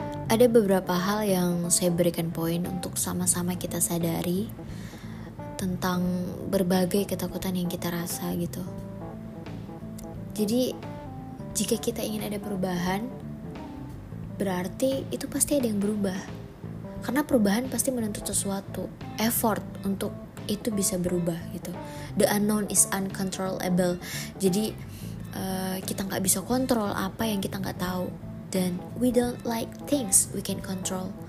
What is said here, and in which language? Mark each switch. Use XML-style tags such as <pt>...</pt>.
<id>Ada beberapa hal yang saya berikan poin untuk sama-sama kita sadari tentang berbagai ketakutan yang kita rasa gitu. Jadi, jika kita ingin ada perubahan, berarti itu pasti ada yang berubah. Karena perubahan pasti menuntut sesuatu, effort untuk itu bisa berubah gitu.</id> <en>The unknown is uncontrollable.</en> <id>Jadi, kita gak bisa kontrol apa yang kita gak tahu. Dan</id> <en>we don't like things we can control.</en>